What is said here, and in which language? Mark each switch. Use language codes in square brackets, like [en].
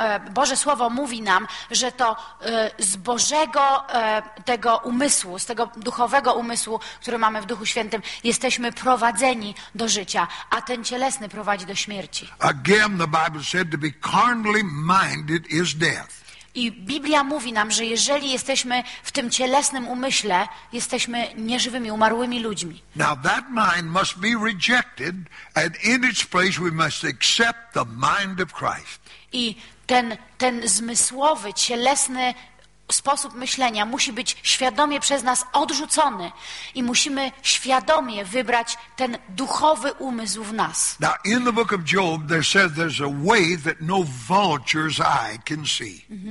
[pl] Boże Słowo mówi nam, że to z Bożego tego umysłu, z tego duchowego umysłu, który mamy w Duchu Świętym, jesteśmy prowadzeni do życia, a ten cielesny prowadzi do śmierci. [en] Again, the Bible said to be carnally minded is death. [pl] I Biblia mówi nam, że jeżeli jesteśmy w tym cielesnym umyśle, jesteśmy nieżywymi, umarłymi ludźmi. [en] Now that mind must be rejected, and in its place we must accept the mind of Christ. [pl] I ten zmysłowy, cielesny sposób myślenia musi być świadomie przez nas odrzucony i musimy świadomie wybrać ten duchowy umysł w nas. [en] Now in the book of Job they said there's a way that no vulture's eye can see.